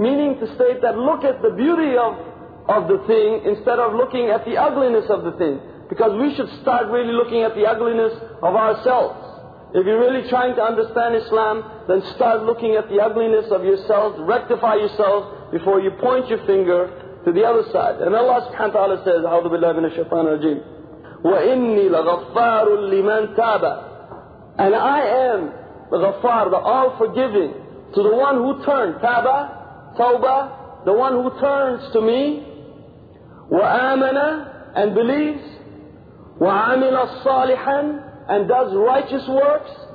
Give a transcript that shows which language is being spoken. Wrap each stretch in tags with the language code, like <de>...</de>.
<en>Meaning to state that look at the beauty of the thing instead of looking at the ugliness of the thing. Because we should start really looking at the ugliness of ourselves. If you're really trying to understand Islam, then start looking at the ugliness of yourself, rectify yourself before you point your finger to the other side. And Allah subhanahu wa ta'ala says,</en> <ar>أعوذ بالله من الشيطان الرجيم وَإِنِّي لَغَفَّارٌ لِمَنْ تَابَ.</ar> <en>And I am the ghaffar, the all-forgiving, to the one who turned. Taba, tawbah, the one who turns to me.</en> <ar>وَآمَنَ,</ar> <en>and believes.</en> <ar>وَعَمِلَ الصَّالِحًا,</ar> <en>and does righteous works.</en>